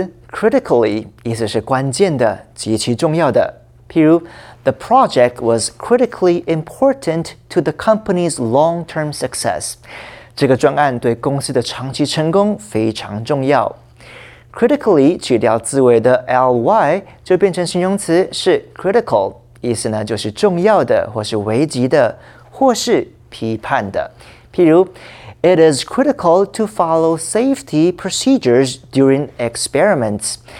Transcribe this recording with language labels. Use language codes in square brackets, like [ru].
[zh] Critically, 意思是关键的,极其重要的。譬如, [en] the project was critically important to the company's long-term success. [zh] 这个专案对公司的长期成功非常重要。 Critically 去掉字尾的ly 就变成形容词是critical, 意思呢就是重要的或是危急的或是批判的。譬如, [en] It is critical to follow safety procedures during experiments.